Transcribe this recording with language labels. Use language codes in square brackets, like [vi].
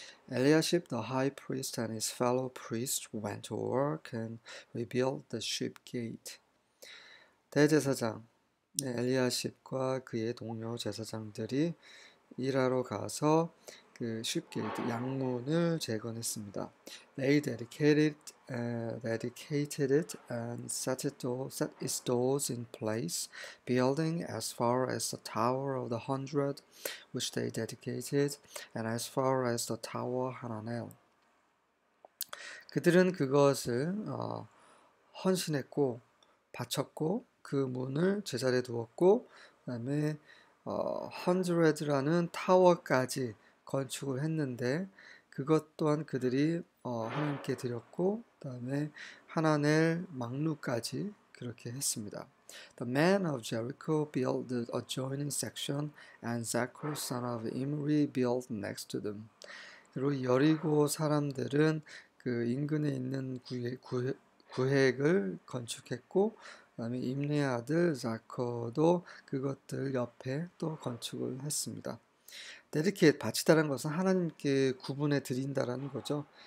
[en] Eliashib the high priest and his fellow priests went to work and rebuilt the sheep gate. [ko] 대제사장 엘리야십과 그의 동료 제사장들이 일하러 가서 그 쉽게 양문을 재건했습니다. [en] They dedicated it and set its doors in place, building as far as the Tower of the Hundred, which they dedicated, and as far as the Tower Hananel. [ko] 그들은 그것을 헌신했고 바쳤고 그 문을 제자리에 두었고, 그다음에 헌드레드라는 타워까지 건축을 했는데, 그것 또한 그들이 하나님께 드렸고, 그다음에 하나넬 망루까지 그렇게 했습니다. [en] The man of Jericho built the adjoining section, and Zaccur son of Imri built next to them. [ko] 그리고 여리고 사람들은 그 인근에 있는 구획을 건축했고, 그다음에 임리의 아들 자커도 그것들 옆에 또 건축을 했습니다. Dedicate, 바치다라는 것은 하나님께 구분해 드린다라는 거죠.